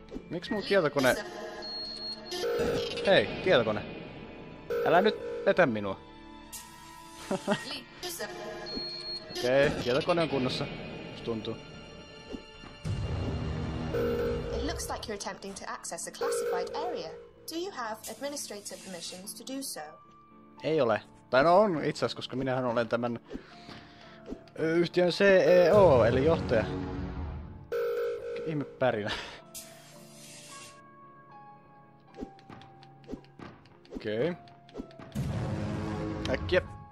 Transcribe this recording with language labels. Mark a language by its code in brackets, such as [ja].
[fi] Miks mun tietokone... Hei, tietokone. Älä nyt petä minua. Okei, okay, tietokone on kunnossa. Musta tuntuu. [en] It looks like you're attempting to access a classified area. Do you have administrator permissions to do so? [fi] Ei ole. Tai no on itse asiassa, koska minähän olen tämän yhtiön CEO, eli johtaja. Ihme pärinä. Okei. Okay. Äkkiä.